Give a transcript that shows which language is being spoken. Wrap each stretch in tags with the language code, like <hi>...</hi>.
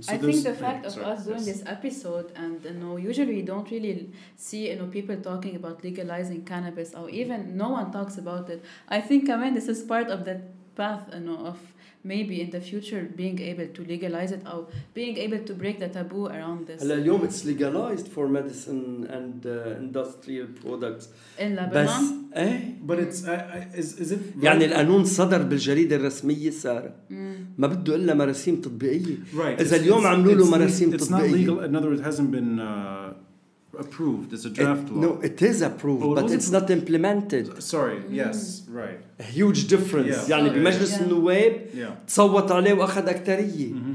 <en>So I think the fact of us doing this episode, and you know, usually you don't really see, you know, people talking about legalizing cannabis, or even no one talks about it. I think, I mean, this is part of that path, you know, of maybe in the future being able to legalize it or being able to break the taboo around this. Hello, you know, it's legalized for medicine and industrial products. In Lebanon.</en> <ar>بس, eh?</ar> <en>But it's is it right?</en> <ar>يعني القانون صدر بالجريدة الرسمية سارة. ما بده إلا مراسيم تطبيقية.</ar> <en>Right.</en> <ar>إذا اليوم عملوا له مراسيم تطبيقية.</ar> <en>It's not legal. In other words, it hasn't been approved. It's a draft law. No, it is approved, but it's not implemented. Sorry. Yes. Right. A huge difference. Yeah.</en> <ar>يعني بمجلس النواب تصوت عليه وأخذ أكترية.</ar>